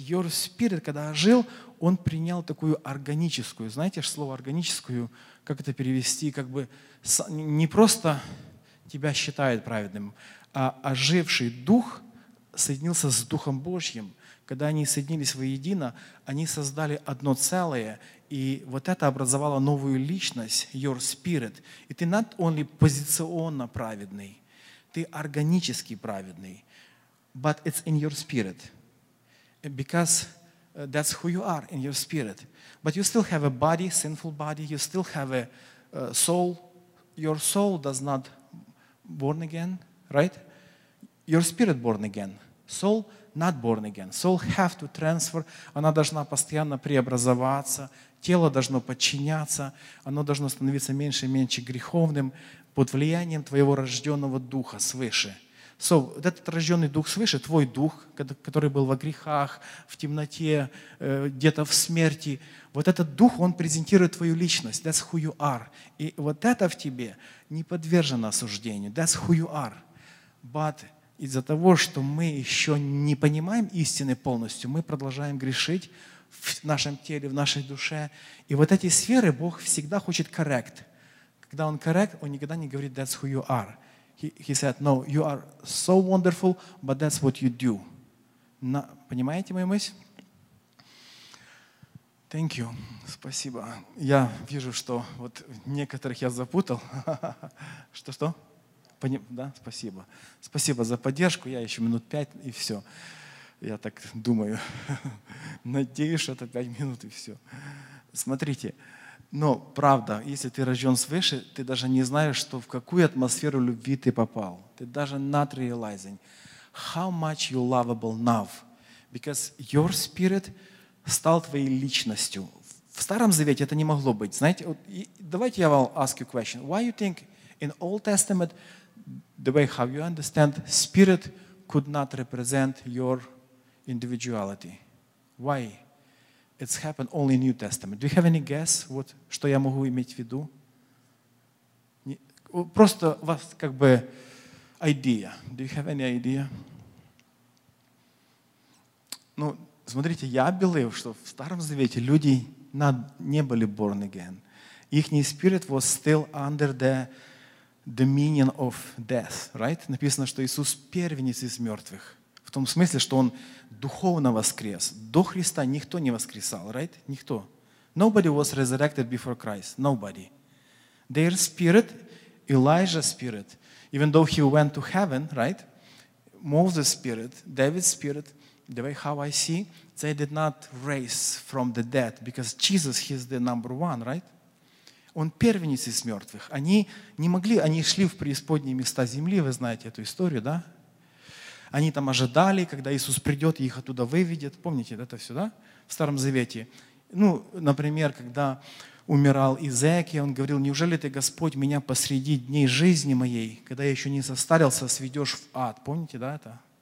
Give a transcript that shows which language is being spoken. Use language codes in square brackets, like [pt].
[en] Your spirit, [ru] когда ожил, он принял такую органическую, знаете, слово органическую, как это перевести, как бы не просто тебя считают праведным, а оживший дух соединился с Духом Божьим. Когда они соединились воедино, они создали одно целое, и вот это образовало новую личность, [en] your spirit. [ru] И ты [en] not only [ru] позиционно праведный, ты органически праведный, [en] but it's in your spirit, because that's who you are in your spirit. But you still have a body, sinful body, you still have a soul. Your soul does not born again, right? Your spirit born again, soul not born again. Soul have to transfer. [ru] Она должна постоянно преобразоваться. Тело должно подчиняться. Оно должно становиться меньше и меньше греховным под влиянием твоего рожденного духа свыше. [en] So, [ru] вот этот рожденный дух свыше, твой дух, который был во грехах, в темноте, где-то в смерти, вот этот дух, он презентирует твою личность. [en] That's who you are. [ru] И вот это в тебе не подвержено осуждению. [en] That's who you are. But [ru] из-за того, что мы еще не понимаем истины полностью, мы продолжаем грешить в нашем теле, в нашей душе. И вот эти сферы Бог всегда хочет correct. Когда Он correct, Он никогда не говорит [en] «That's who you are». He said, «No, you are so wonderful, but that's what you do». [ru] Понимаете мою мысль? [en] Thank you. [ru] Спасибо. Я вижу, что вот некоторых я запутал. Что-что? Да, спасибо. Спасибо за поддержку. Я еще минут пять, и все. Я так думаю. Надеюсь, что это 5 минут, и все. Смотрите, но правда, если ты рожден свыше, ты даже не знаешь, что в какую атмосферу любви ты попал. Ты даже [en] not realizing how much you lovable now. Because your spirit [ru] стал твоей личностью. В Старом Завете это не могло быть. Знаете, вот, давайте я вам [en] ask you a question. Why you think in Old Testament the way how you understand spirit could not represent your individuality? Why? It's happened only in New Testament. Do you have any guess, what, [ru] что я могу иметь в виду? Просто у вас как бы idea. [en] Do you have any idea? [ru] Ну, смотрите, я believe, что в Старом Завете люди [en] not, [ru] не были [en] born again. [ru] Ихний [en] spirit was still under the dominion of death, right? [ru] Написано, что Иисус первенец из мертвых. В том смысле, что Он духовно воскрес. До Христа никто не воскресал, right? Никто. [en] Nobody was resurrected before Christ. Nobody. Their spirit, Elijah's spirit, even though he went to heaven, right? Moses' spirit, David's spirit, the way how I see, they did not raise from the dead because Jesus, he's the number one, right? [ru] Он первенец из мертвых. Они не могли, они шли в преисподние места земли, вы знаете эту историю, да? Они там ожидали, когда Иисус придет и их оттуда выведет. Помните это все, да? В Старом Завете. Ну, например, когда умирал Иезекия, он говорил, неужели ты, Господь, меня посреди дней жизни моей, когда я еще не состарился, сведешь в ад. Помните, да, это?